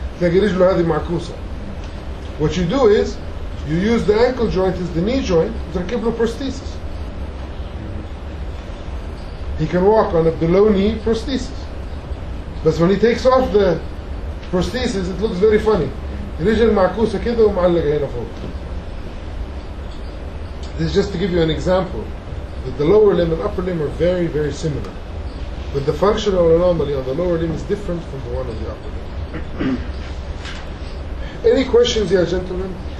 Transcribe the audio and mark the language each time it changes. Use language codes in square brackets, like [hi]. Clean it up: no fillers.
[ar] تلاقي رجله هذه معكوسة. [en] What you do is, you use the ankle joint as the knee joint, [ar] تركب له [en] prosthesis. he can walk on a below knee prosthesis. But when he takes off the prosthesis, it looks very funny. [ar] رجل معكوسة كده ومعلقة هنا فوق. [en] This is just to give you an example that the lower limb and upper limb are very, very similar. But the functional anomaly on the lower limb is different from the one on the upper limb. Any questions here, gentlemen?